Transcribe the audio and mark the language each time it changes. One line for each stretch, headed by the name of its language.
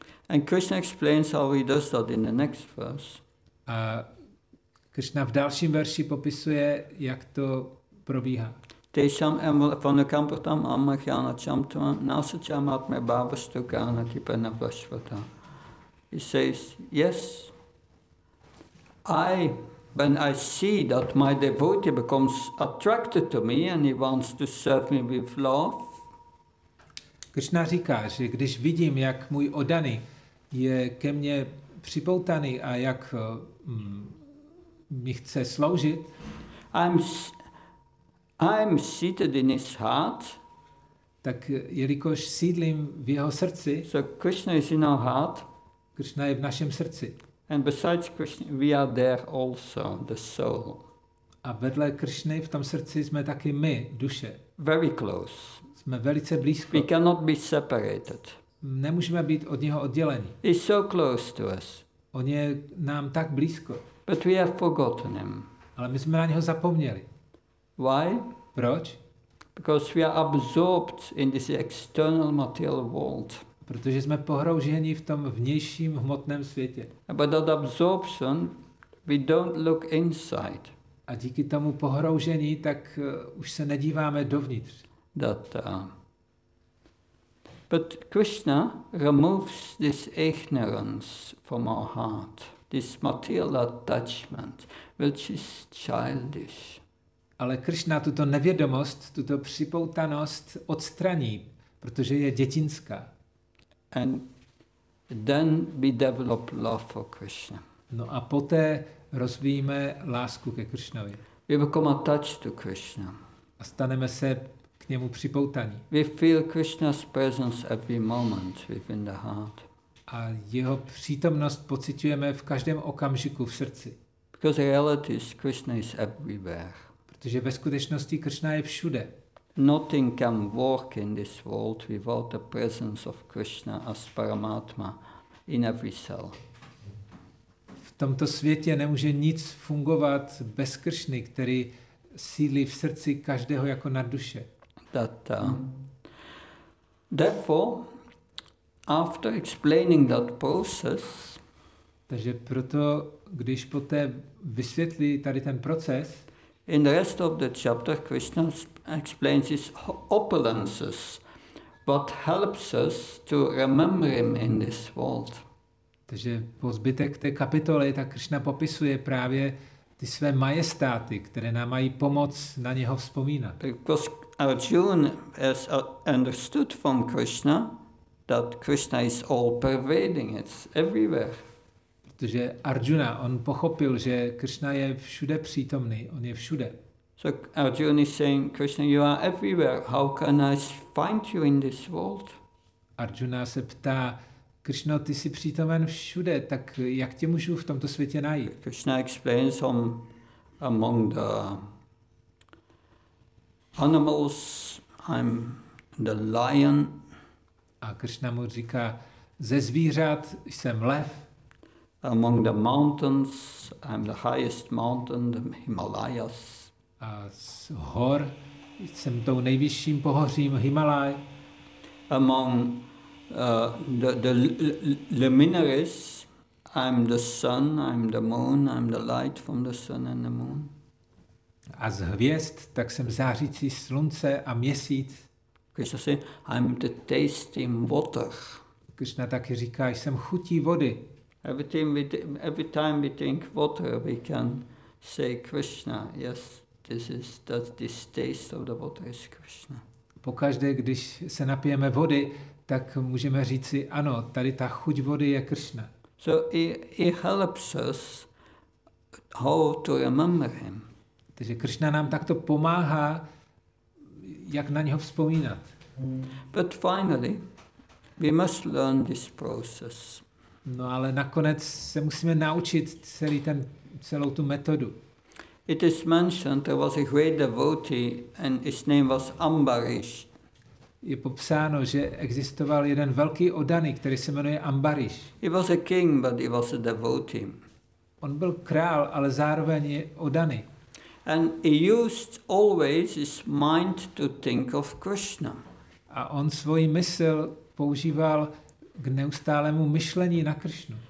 English: And Krishna explains how he does that in the next verse.
Czech: A Krishna v dalším verši popisuje, jak to probíhá.
Sanskrit: Tejsham evanakampatam amahyana chamtvam nasacham atme bhavastukana tipena vlashvata.
English: He says, yes, when I see that my devotee becomes attracted to me and he wants to serve me with love.
Czech: Krishna říká, že když vidím, jak můj oddaný je ke mně připoutaný a jak mi chce sloužit.
English: I'm seated in his heart.
Czech: Tak jelikož sídlím v jeho srdci.
English: So Krishna is in our heart.
Czech: Krishna je v našem srdci.
English: And besides Krishna, we are there also, the soul.
Czech: A vedle Krishny v tom srdci jsme taky my, duše.
English: Very close.
Czech: Jsme velice blízko.
English: We cannot be separated.
Czech: Nemůžeme být od něho odděleni.
English: He's so close to us.
Czech: On je nám tak blízko.
English: But we have forgotten him.
Czech: Ale my jsme na něho zapomněli.
English: Why?
Czech: Proč?
English: Because we are absorbed in this external material world.
Czech: Protože jsme pohrouženi v tom vnějším hmotném světě.
English: But that absorption, we don't look inside.
Czech: A díky tomu pohroužení, tak už se nedíváme dovnitř.
English: But Krishna removes this ignorance from our heart. This material attachment, which is childish.
Czech: Ale Krishna tuto nevědomost, tuto připoutanost odstraní, protože je dětinská.
English: And then we develop love for Krishna.
Czech: No a poté rozvíjíme lásku ke Krishnovi.
English: We become attached to Krishna.
Czech: A staneme se k němu připoutaní.
English: We feel Krishna's presence every moment within the heart.
Czech: A jeho přítomnost pociťujeme v každém okamžiku v srdci.
English: Because reality is Krishna is everywhere.
Czech: Protože ve skutečnosti Krishna je všude.
English: Nothing can work in this world without the presence of Krishna as Paramatma in every cell.
Czech: V tomto světě nemůže nic fungovat bez Kršny, který sídlí v srdci každého jako na duše. Tata.
English: Therefore, after explaining that process,
Czech: takže proto, když poté vysvětlí tady ten proces,
English: in the rest of the chapter, Krishna explains his opulences, what helps us to remember him in this world.
Czech: Takže po zbytek té kapitoly ta Krishna popisuje právě ty své majestáty, které nám mají pomoc na něho vzpomínat.
English: Because Arjuna has understood from Krishna that Krishna is all pervading, it's everywhere.
Czech: Protože Arjuna, on pochopil, že Krishna je všude přítomný, on je všude.
English: So Arjuna is saying, Krishna, you are everywhere. How can I find you in this world?
Czech: Arjuna se ptá, Krishna, ty jsi přítomen všude, tak jak tě můžu v tomto světě najít?
English: Krishna explains on among the animals, I'm the lion.
Czech: A Krishna mu říká, ze zvířat jsem lev.
English: Among the mountains, I'm the highest mountain, the Himalayas.
Czech: A z hor jsem tou nejvyšším pohořím Himalaj.
English: Among the luminaries, I'm the sun, I'm the moon, I'm the light from the sun and the moon.
Czech: A z hvězd, tak jsem zářící slunce a měsíc.
English: Krishna say, I'm the tasting water.
Czech: Krishna taky říká, jsem chutí vody.
English: Every time we drink water, we can say Krishna. Yes, this is that this taste of the water is Krishna.
Czech: Pokaždé, když se napijeme vody, tak můžeme říci ano, tady ta chuť vody je Krishna.
English: So he helps us how to remember him.
Czech: Takže Krishna nám takto pomáhá, jak na něho vzpomínat.
English: But finally, we must learn this process.
Czech: No ale nakonec se musíme naučit celý ten, celou tu metodu.
English: It is mentioned there was a great devotee and his name was Ambarish.
Czech: Je popsáno, že existoval jeden velký oddaný, který se jmenuje Ambarish.
English: He was a king, but he was a devotee.
Czech: On byl král, ale zároveň je oddaný.
English: And he used always his mind to think of Krishna.
Czech: A on svoji mysl používal k neustálému myšlení na Krishnu.